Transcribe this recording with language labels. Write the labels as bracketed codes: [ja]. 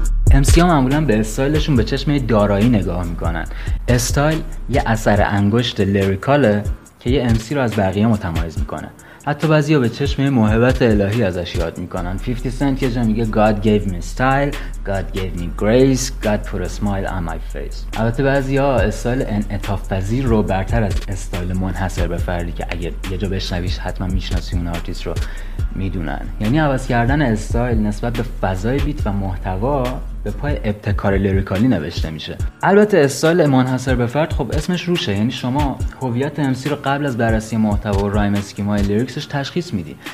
[fa] MC ها معمولا به استایلشون به چشم دارایی نگاه میکنن. استایل یه اثر انگشت لیریکاله که یه MC رو از بقیه متمایز میکنه. حتی بعضیا به چشم محبت الهی ازش یاد میکنن. 50 سنت که جمعی میگه [en] God gave me style, God gave me grace, God put a smile on my face. [fa] البته بعضیا استایل انعطاف پذیر رو برتر از استایل منحصر به فردی که اگه یه جا بشنویش حتما میشناسی اون آرتیست رو میدونن. یعنی عوض کردن استایل نسبت به فضای بیت و محتوا به پای ابتکار لیریکالی نوشته میشه. البته استایل منحصر به فرد خب اسمش روشه، یعنی شما هویت MC رو قبل از بررسی محتوا و رایم اسکیمای لیریکسش تشخیص میدی.